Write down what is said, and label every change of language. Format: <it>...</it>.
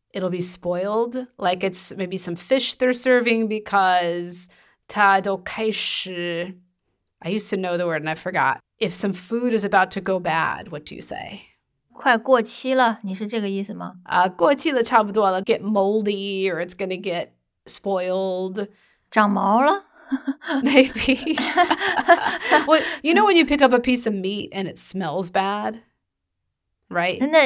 <en>It'll be spoiled, like it's maybe some fish they're serving because</en> <zh>它都开始,</zh> <en>I used to know the word and I forgot. If some food is about to go bad, what do you say?</en> <zh>快过期了,你是这个意思吗? 过期了差不多了,</zh> <en>get moldy or it's going to get spoiled.</en> <zh>长毛了?</zh> <en>Maybe. Well, you know when you pick up a piece of meat and it smells bad, right?</en>